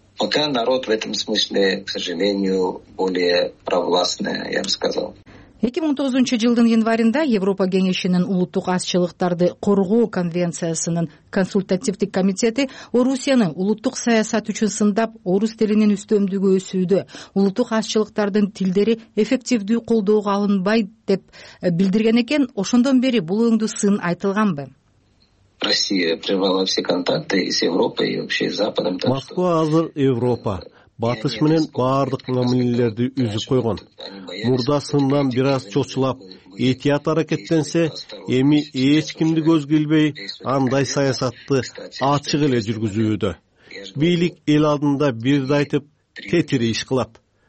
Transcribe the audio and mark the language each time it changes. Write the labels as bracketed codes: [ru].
[ru] Пока народ в этом смысле, к сожалению, более провластный, я бы сказал. [ky] 2019 жылдын январында Европа кеңешинин улуттук азчылыктарды коргоо конвенциясынын консультативдик комитети Орусияны улуттук саясат үчүн сындап, орус тилинин үстөмдүгү өсүүдө, улуттук азчылыктардын тилдери эффективдүү колдоого алынбайт деп билдирген экен. Ошондон бери бул өңдү сын айтылганбы? [ru] Россия прервала все контакты с Европой и вообще с Западом. [ky] Москва азыр Европа, батыш менен баардык мамилелерди үзүп койгон. Мурда сындан бир аз чочулап, этият аракеттенсе, эми эч кимди көзгө илбей, андай саясатты ачык эле жүргүзүүдө. Бийлик эл алдында бирди айтып, тетири иш кылат.